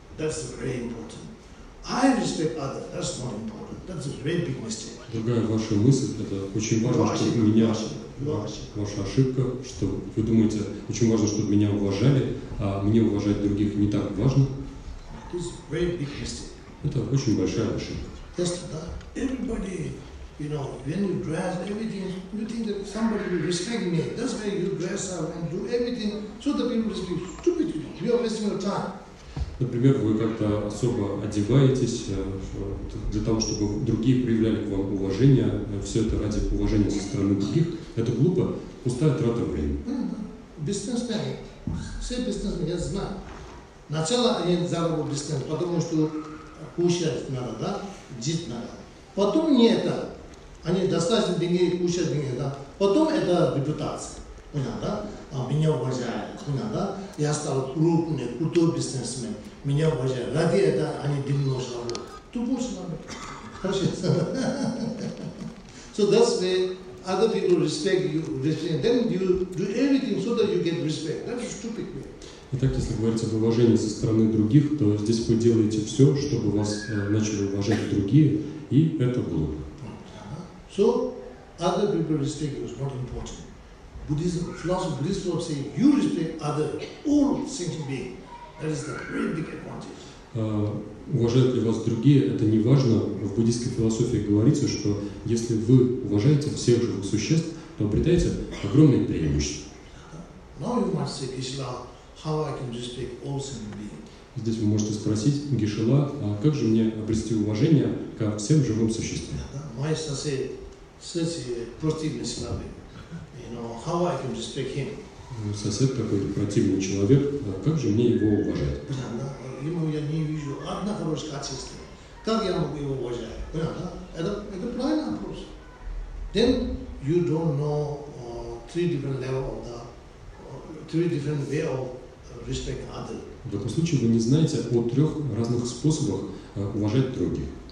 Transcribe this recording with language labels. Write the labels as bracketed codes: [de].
[en] That's very important. I respect others. That's not important. That's a very big mistake. [ru] Другая ваша мысль, это очень важно, чтобы меня... Ваша ошибка, что вы думаете, очень важно, чтобы меня уважали, а мне уважать других не так важно. [en] That's a very big mistake. [ru] Это очень большая ошибка. [en] Yes, [ru] да. [en] Everybody, you know, when you dress, everything, you think that somebody will respect me. That's why you dress up and do everything. So the people respect you. Stupid. You are wasting your time. [ru] Например, вы как-то особо одеваетесь для того, чтобы другие проявляли к вам уважение, все это ради уважения со стороны других. Это глупо, пустая трата времени. Бизнесмены, все бизнесмены, я знаю. Сначала они заработали бизнес, потому что кушать надо, да, жить надо. Потом не это, они достаточно деньги, кушать деньги, да. Потом это репутация. Понятно, да? А меня уважают, понятно, да? Я стал крупным, крутой бизнесмен. Меня уважают. Ради этого они дымно шарят. Тупо шарят. Хорошо. [en] So that's why other people respect you. Then you do everything so that you get respect. That's stupid. [ru] Итак, если говорить об уважении со стороны других, то здесь вы делаете все, чтобы вас начали уважать другие, и это глупо. [en] So other people respect you is not important. Buddhism, philosophy, Buddhist philosophy say you respect other, all sentient beings. That is the very big advantage. [ru] Уважают ли вас другие, это не важно. В буддийской философии говорится, что если вы уважаете всех живых существ, то обретаете огромные преимущества. [en] Now you might say, Гишила, how I can respect all sentient beings? [ru] Здесь вы можете спросить, Гишила, а как же мне обрести уважение ко всем живым существам? [en] My sensei, [ru] сэти, противный слабый. [en] How I can respect him? [ru] Сосед такой противный человек, как же мне его уважать? Понятно, да? Ему я не вижу одно хорошее качество. Как я могу его уважать? Понятно, да? Это правильный вопрос. [en] Then you don't know three different level of the three different way of respect other. [ru] В этом случае вы не знаете о трех разных способах уважать других.